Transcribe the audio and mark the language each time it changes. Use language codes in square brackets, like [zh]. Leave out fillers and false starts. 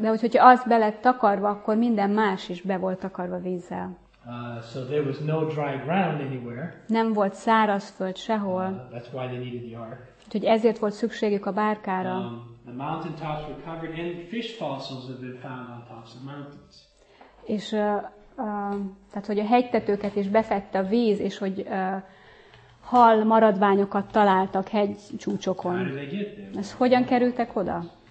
[hu] De hogyha az be lett takarva, akkor minden más is be volt takarva vízzel. [en] So there was no dry ground anywhere. [hu] Nem volt szárazföld sehol. [en] That's why they needed the ark. [hu] Úgyhogy ezért volt szükségük a bárkára. [en] The mountaintops were covered and fish fossils have been found on tops of mountains. [hu] És tehát hogy a hegytetőket is befette a víz, és hogy hal maradványokat találtak hegycsúcsokon. Ez hogyan kerültek oda?